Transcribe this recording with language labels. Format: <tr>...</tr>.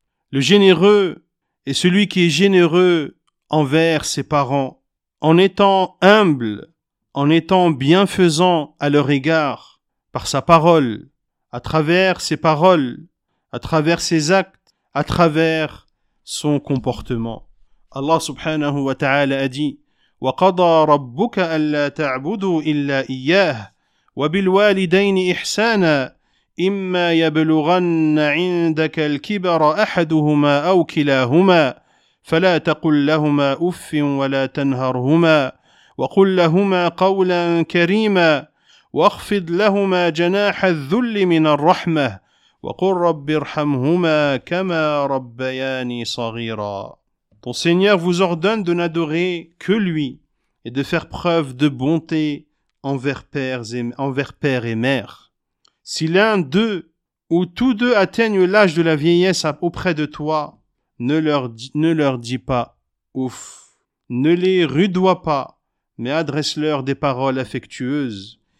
<fr>Le généreux est celui qui est généreux envers ses parents, en étant humble, en étant bienfaisant à leur égard, par sa parole, à travers ses paroles, à travers ses actes, à travers son comportement. Allah subhanahu wa ta'ala a dit</fr> <ar>« وَقَضَى رَبُّكَ أَلَّا تَعْبُدُوا إِلَّا إِيَّهِ وَبِالْوَالِدَيْنِ إِحْسَانًا إِمَّا يَبْلُغَنَّ عِنْدَكَ الْكِبَرَ أَحَدُهُمَا أَوْ كِلَاهُمَا فَلَا تَقُلْ لَهُمَا أُفٍّ وَلَا تَنْهَرْهُمَا وَقُلْ لَهُمَا قَوْلًا كَرِيمًا وَاخْفِضْ لَهُمَا جَنَاحَ الذُّلِّ مِنَ الرَّحْمَةِ وَقُلْ رَبِّ ارْحَمْهُمَا كَمَا رَبَّيَانِي صَغِيرًا.</ar> <fr>Ton Seigneur vous ordonne de n'adorer que lui et de faire preuve de bonté envers père et mère. Si l'un d'eux ou tous deux atteignent l'âge de la vieillesse auprès de toi, ne leur dis pas ouf, ne les rudoie pas, mais adresse-leur des paroles affectueuses.</fr>